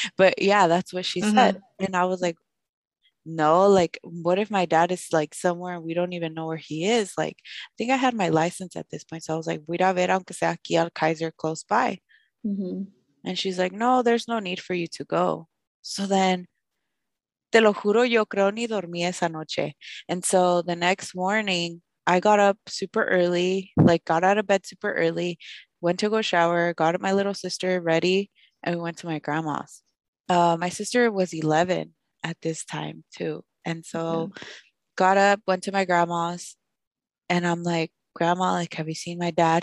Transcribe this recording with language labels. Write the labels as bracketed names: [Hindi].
[English] But yeah, that's what she said. And I was like, no, like, what if my dad is like somewhere and we don't even know where he is? Like, I think I had my license at this point. So I was like, [Spanish] voy a ver aunque sea aquí al [English] Kaiser close by. Mm-hmm. And she's like, no, there's no need for you to go. So then, [Spanish] te lo juro, yo creo ni dormí esa noche. [English] And so the next morning, I got up super early, like got out of bed super early, went to go shower, got my little sister ready, and we went to my grandma's. My sister was 11 at this time too. And so got up, went to my grandma's, and I'm like, grandma, like, have you seen my dad?